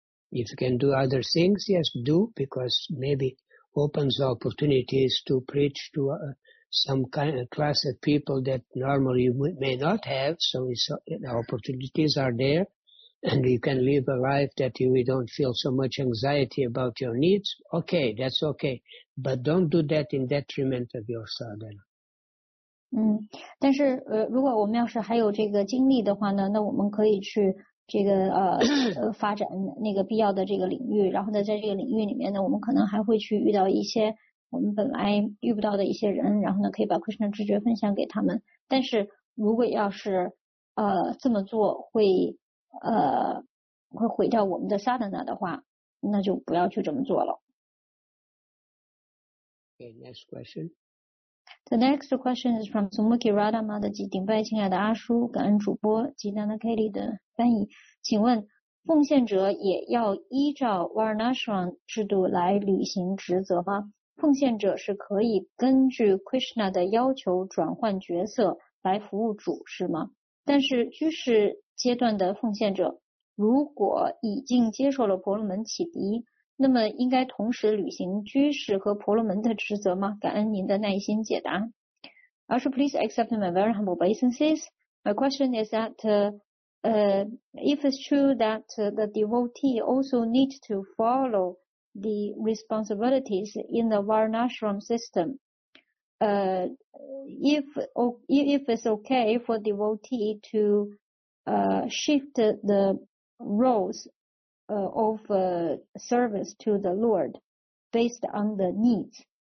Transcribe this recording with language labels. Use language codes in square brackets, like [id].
[en] If you can do other things, yes, do, because maybe opens opportunities to preach to some kind of class of people that normally you may not have, so the opportunities are there, and you can live a life that you don't feel so much anxiety about your needs, okay, that's okay, but don't do that in detriment of your sadhana. [zh] 但是如果我们要是还有这个精力的话呢，那我们可以去这个发展那个必要的这个领域，然后呢，在这个领域里面呢，我们可能还会去遇到一些我们本来遇不到的一些人，然后呢，可以把 Krishna 知觉分享给他们。但是如果要是这么做会毁掉我们的 sadhana 的话，那就不要去这么做了。 [en] Okay, next question. The next question is from [zh] Sumuki Radha Madhaji, 顶拜亲爱的阿叔，感恩主播吉娜娜 Kelly 的翻译，请问奉献者也要依照 Varnashram 制度来履行职责吗？奉献者是可以根据 Krishna 的要求转换角色来服务主是吗？但是居士阶段的奉献者如果已经接受了婆罗门启迪，那么应该同时履行居士和婆罗门的职责吗？感恩您的耐心解答。 [en] Also, please accept my very humble obeisances. My question is that if it's true that the devotee also needs to follow the responsibilities in the Varnashram system, if it's okay for the devotee to shift the roles of service to the Lord based on the needs.